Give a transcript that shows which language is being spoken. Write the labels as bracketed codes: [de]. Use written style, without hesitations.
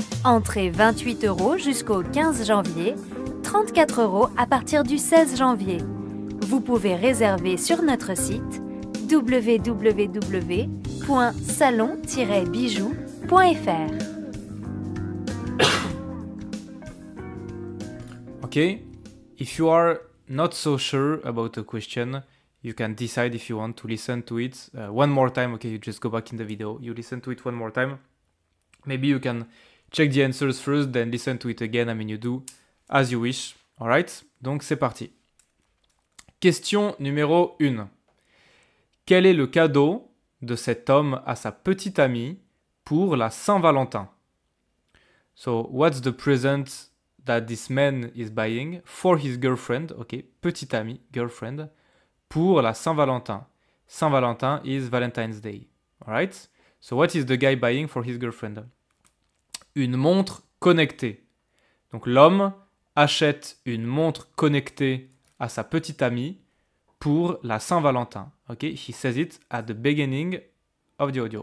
[fr] Entrée 28 euros jusqu'au 15 janvier, 34 euros à partir du 16 janvier. Vous pouvez réserver sur notre site www.salon-bijoux.fr. [en] Okay, if you are not so sure about the question, you can decide if you want to listen to it one more time. Okay, you just go back in the video, you listen to it one more time. Maybe you can check the answers first, then listen to it again. I mean, you do as you wish. All right, [fr] donc c'est parti. Question numéro 1. Quel est le cadeau de cet homme à sa petite amie pour la Saint-Valentin? [en] So, what's the present that this man is buying for his girlfriend? [fr] Okay, petite amie, girlfriend, pour la Saint-Valentin. [en] Saint-Valentin is Valentine's Day. Alright? So, what is the guy buying for his girlfriend? [fr] Une montre connectée. Donc, l'homme achète une montre connectée à sa petite amie pour la Saint-Valentin. [en] Okay, he says it at the beginning of the audio.